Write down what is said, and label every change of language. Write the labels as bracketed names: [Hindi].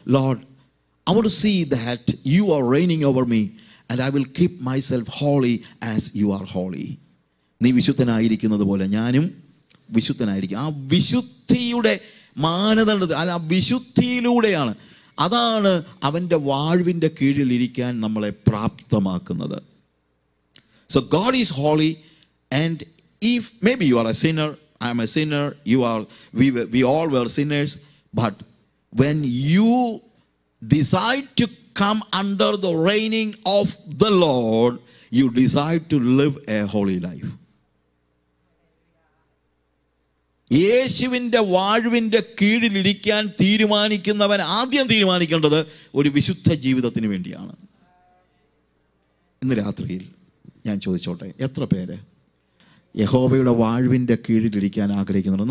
[English] Lord, I want to see that you are reigning over me and I will keep myself holy as you are holy. [Malayalam] നീ വിശുദ്ധനായിരിക്കുന്നത് പോലെ ഞാനും വിശുദ്ധനായിരിക്കും. ആ വിശുദ്ധിയുടെ മാനദണ്ഡത്തിൽ, അല്ല, ആ വിശുദ്ധിയിലൂടെയാണ്, അതാണ് അവൻ്റെ വാഴ്വിൻ്റെ കീഴിൽ ഇരിക്കാൻ നമ്മളെ പ്രാപ്തമാക്കുന്നത്. [English] So God is holy, and if may be you are a sinner, I am a sinner, you are, we all were sinners, but when you decide to come under the reigning of the Lord, you decide to live a holy life. [Malayalam] യേശുവിന്റെ വാഴ്വിന്റെ കീഴിൽ ഇരിക്കാൻ തീരുമാനിക്കുന്നവൻ ആദ്യം തീരുമാനിക്കേണ്ടത് ഒരു വിശുദ്ധ ജീവിതത്തിന് വേണ്ടിയാണ്. ഇന്ന് രാത്രിയിൽ ഞാൻ ചോദിച്ചോട്ടെ, എത്ര പേര് യഹോവയുടെ വാഴ്വിൻ്റെ കീഴിലിരിക്കാൻ ആഗ്രഹിക്കുന്നുണ്ട്?